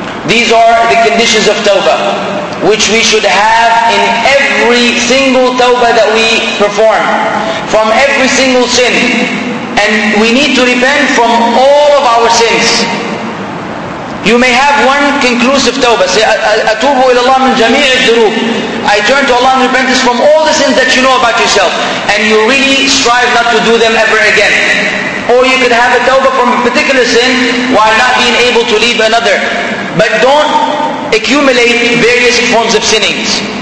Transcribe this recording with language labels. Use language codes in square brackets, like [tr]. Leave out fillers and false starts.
[en] These are the conditions of tawbah, which we should have in every single tawbah that we perform, from every single sin. And we need to repent from all of our sins. You may have one conclusive tawbah. [ar] Say, أَتُوبُ إِلَى اللَّهِ مِنْ جَمِيعِ الذُّنُوبِ. [en] I turn to Allah in repentance from all the sins that you know about yourself. And you really strive not to do them ever again. Or you could have a tawbah from a particular sin while not being able to leave another. But don't accumulate various forms of sinnings.